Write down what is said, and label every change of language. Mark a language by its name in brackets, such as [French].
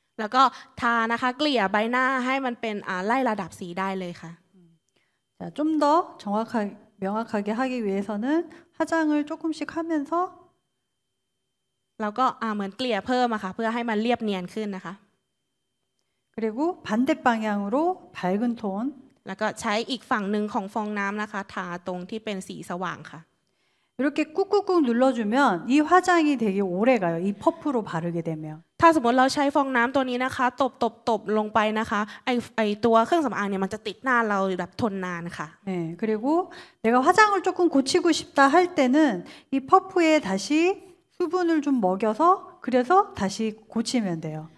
[Thai] แล้วก็ทานะคะเกลี่ยใบหน้าให้มันเป็นไล่ระดับสีได้เลยค่ะ [Korean] จะ좀더정확하게명확하게하기위해서는화장을조금씩하면서 [Thai] แล้วก็เหมือนเกลี่ยเพิ่มอะค่ะเพื่อให้มันเรียบเนียนขึ้นนะคะ [Korean] 그리고반대방향으로밝은톤 [Thai] แล้วก็ใช้อีกฝั่งนึงของฟองน้ำนะคะทาตรงที่เป็นสีสว่างค่ะ [Korean] 이렇게꾹꾹꾹눌러주면이화장이되게오래가요이퍼프로바르게되면 [Thai] ถ้าสมมติเราใช้ฟองน้ำตัวนี้นะคะตบตบตบลงไปนะคะไอตัวเครื่องสำอางเนี่ยมันจะติดหน้าเราแบบทนนานค่ะ [Korean] 네그리고내가화장을조금고치고싶다할때는이퍼프에다시수분을좀먹여서그래서다시고치면돼요